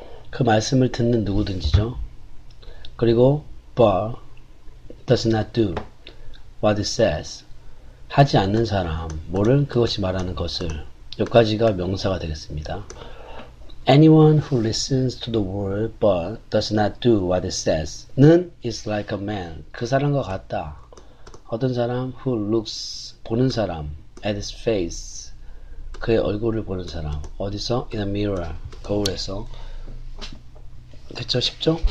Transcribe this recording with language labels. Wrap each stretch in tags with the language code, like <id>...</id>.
<ko>그 말씀을 듣는 누구든지죠. 그리고</ko> <en>but does not do what it says.</en> <ko>하지 않는 사람, 뭐를 그것이 말하는 것을. 여기까지가 명사가 되겠습니다.</ko> <en>Anyone who listens to the word but does not do what it says 는 is like a man.</en> <ko>그 사람과 같다. 어떤 사람</ko> <en>who looks</en> <ko>보는 사람</ko> <en>at his face</en> <ko>그의 얼굴을 보는 사람 어디서?</ko> <en>In a mirror</en> <ko>거울에서 됐죠? 쉽죠?</ko>